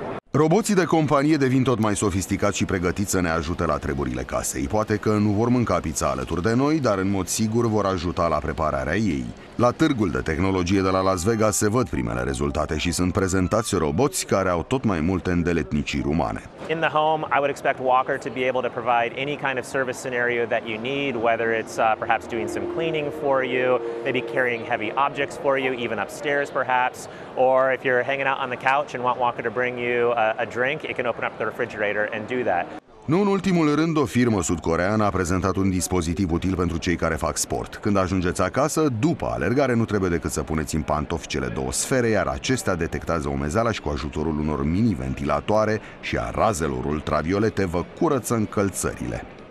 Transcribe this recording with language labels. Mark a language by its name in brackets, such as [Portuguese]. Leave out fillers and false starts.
[Romanian] Roboții de companie devin tot mai sofisticați și pregătiți să ne ajute la treburile casei. Poate că nu vor mânca pizza alături de noi, dar în mod sigur vor ajuta la prepararea ei. La Târgul de Tehnologie de la Las Vegas se văd primele rezultate și sunt prezentați roboți care au tot mai multe îndeletniciri umane. [English] In the home, I would expect Walker to be able to provide any kind of service scenario that you need, whether it's perhaps doing some cleaning for you, maybe carrying heavy objects for you, even upstairs perhaps, or if you're hanging out on the couch and want Walker to bring you a drink, it can open up the refrigerator and do that. [Romanian] Nu în ultimul rând, o firmă sud-coreană a prezentat un dispozitiv util pentru cei care fac sport. Când ajungeți acasă, după alergare, nu trebuie decât să puneți în pantofi cele 2 sfere, iar acestea detectează umezeala și cu ajutorul unor mini-ventilatoare și a razelor ultraviolete vă curăță încălțările.